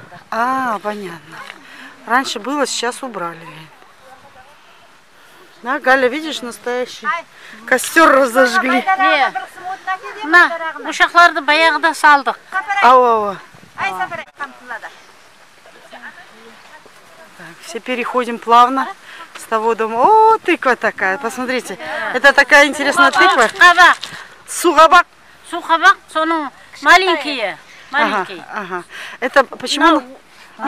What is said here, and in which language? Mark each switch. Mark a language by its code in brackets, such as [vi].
[ru] А, понятно. Раньше было, сейчас убрали. Да, Галя, видишь, настоящий костер разожгли. [kk] На, мушахларды баяғыда салдық. Ау-ау-ау. [ru] Все переходим плавно с того дома. О, тыква такая, посмотрите. Это такая интересная тыква. [kk] Сухабак. Сухабак. [ru] Сухабак, он маленький. Ага, ага. Это почему? Ну,